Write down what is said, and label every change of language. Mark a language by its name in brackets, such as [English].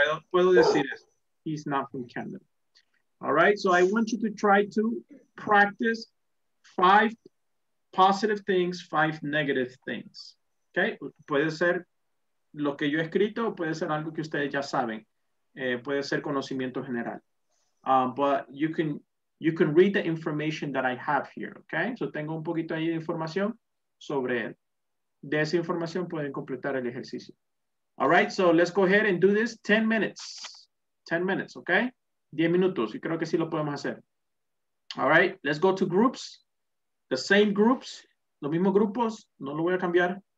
[Spanish] Puedo decir eso. [English] He's not from Canada. All right. So I want you to try to practice five positive things, five negative things, okay? [Spanish] Puede ser lo que yo he escrito, puede ser algo que ustedes ya saben, puede ser conocimiento general. [English] But you can read the information that I have here, okay? [Spanish] So tengo un poquito ahí de información sobre él. De esa información pueden completar el ejercicio. [English] All right, so let's go ahead and do this 10 minutes. 10 minutes, okay? [Spanish] 10 minutos, y creo que sí lo podemos hacer. [English] All right, let's go to groups. The same groups, [Spanish] los mismos grupos, no lo voy a cambiar.